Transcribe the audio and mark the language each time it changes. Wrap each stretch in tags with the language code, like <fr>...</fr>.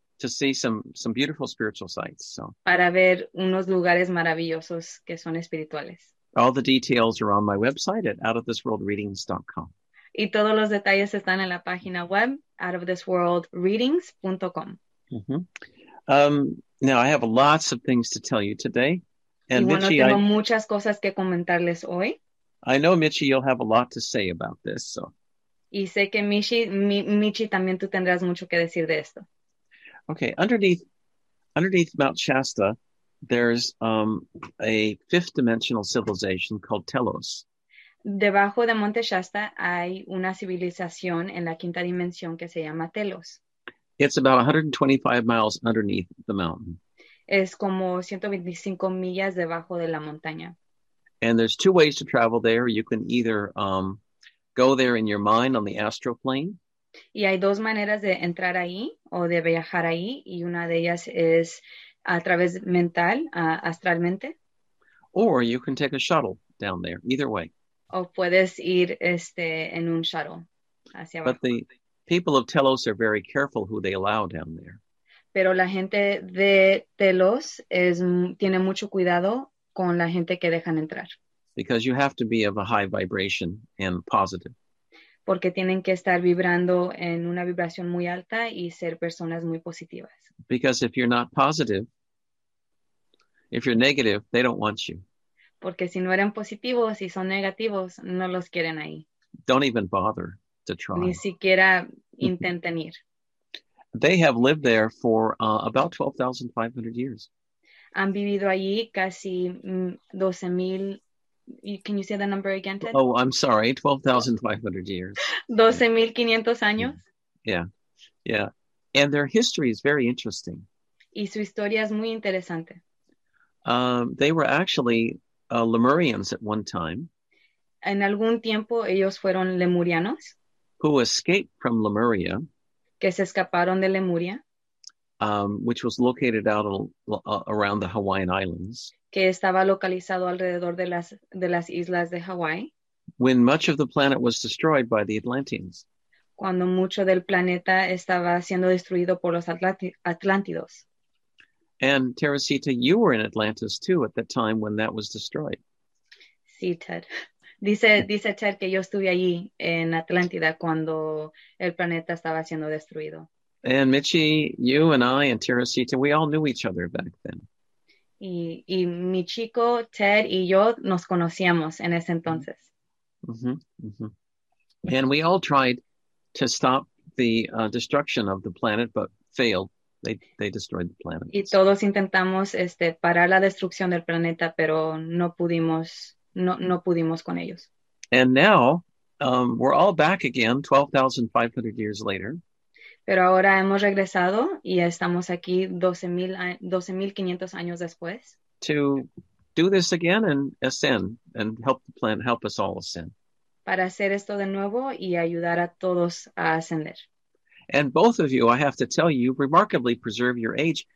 <en>To see some beautiful spiritual sites. So.</en> <es>Para ver unos lugares maravillosos que son espirituales.</es> <en>All the details are on my website at outofthisworldreadings.com.</en> <es>Y todos los detalles están en la página web, outofthisworldreadings.com. Mm-hmm.</es> <en>Now, I have lots of things to tell you today. And</en> <es>y bueno, Michi, tengo muchas cosas que comentarles hoy.</es> <en>I know, Michi, you'll have a lot to say about this. So.</en> <es>Y sé que, Michi, también tú tendrás mucho que decir de esto.</es> <en>Okay, underneath Mount Shasta, there's a fifth dimensional civilization called Telos.</en> <es>Debajo de Monte Shasta hay una civilización en la quinta dimensión que se llama Telos.</es> <en>It's about 125 miles underneath the mountain.</en> <es>Es como 125 millas debajo de la montaña.</es> <en>And there's two ways to travel there. You can either go there in your mind on the astral plane.</en> <es>Y hay dos maneras de entrar ahí o de viajar ahí. Y una de ellas es a través mental, astralmente.</es> <en>Or you can take a shuttle down there, either way.</en> <es>O puedes ir en un shuttle hacia abajo.</es> <en>But the people of Telos are very careful who they allow down there.</en> <es>Pero la gente de Telos tiene mucho cuidado con la gente que dejan entrar.</es> <en>Because you have to be of a high vibration and positive.</en> <es>Porque tienen que estar vibrando en una vibración muy alta y ser personas muy positivas.</es> <en>Because if you're not positive, if you're negative, they don't want you.</en> <es>Porque si no eran positivos y son negativos, no los quieren ahí.</es> <en>Don't even bother to try.</en> <es>Ni siquiera intenten ir.</es> <en>They have lived there for about 12,500 years.</en> <es>Han vivido allí casi 12,000.</es> <en>Can you say the number again, Ted? Oh, I'm sorry. 12,500 years.</en> <es>12,500 años.</es> <en>Yeah. Yeah. And their history is very interesting.</en> <es>Y su historia es muy interesante.</es> <en>They were actually Lemurians at one time.</en> <es>En algún tiempo ellos fueron Lemurianos.</es> <en>Who escaped from Lemuria.</en> <es>Que se escaparon de Lemuria.</es> <en>Which was located out around the Hawaiian Islands.</en> <es>Que estaba localizado alrededor de las islas de Hawaii.</es> <en>When much of the planet was destroyed by the Atlanteans.</en> <es>Cuando mucho del planeta estaba siendo destruido por los Atlántidos.</es> <en>And Teresita, you were in Atlantis too at the time when that was destroyed.</en> <es>Sí, Ted. Dice Ted que yo estuve allí en Atlántida cuando el planeta estaba siendo destruido.</es> <en>And Michi, you and I and Teresita, we all knew each other back then.</en> <es>Y mi chico, Ted, y yo nos conocíamos en ese entonces.</es> <en>And we all tried to stop the destruction of the planet, but failed. They destroyed the planet.</en> <es>Y todos intentamos parar la destrucción del planeta, pero no pudimos con ellos.</es> <en>And now, we're all back again, 12,500 years later.</en> <es>Pero ahora hemos regresado y estamos aquí 12,500 años después.</es> <en>To do this again and ascend and help the planet, help us all ascend.</en> <es>Para hacer esto de nuevo y ayudar a todos a ascender.</es> <en>And both of you, I have to tell you, remarkably preserve your age.</en>